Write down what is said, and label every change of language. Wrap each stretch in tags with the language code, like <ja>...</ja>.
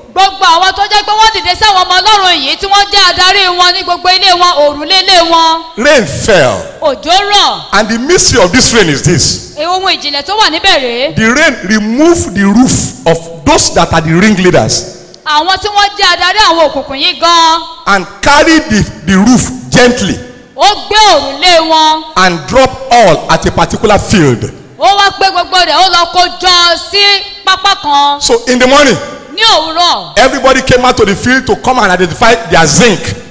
<yo>Gbogbo àwọn tó jẹ́ pé wọ́n dìde sáwọn ọmọ Ọlọ́run yìí tí wọ́n jẹ́ adarí wọn ní gbogbo ilé wọn òrùlé ilé wọn.</yo> <en>Rain fell.</en> <yo>Òjò rọ̀.</yo> <en>And the mystery of this rain is this.</en> <yo>Ohun ìjìnlẹ̀ tó wà níbẹ̀ rèé.</yo> <en>The rain removed the roof of those that are the ringleaders.</en> <yo>Àwọn tí wọ́n jẹ́ adarí àwọn òkùnkùn yìí gan.</yo> <en>And carried the roof gently.</en> <yo>Ó gbé òrùlé wọn.</yo> <en>And drop all at a particular field.</en> <yo>Ó wá pé gbogbo rẹ̀ ó lọ kójọ sí pápá kan.</yo> <en>So in the morning.</en> <yo>Ní òwúrọ̀.</yo> <en>Everybody came out to the field to come and identify their zinc.</en>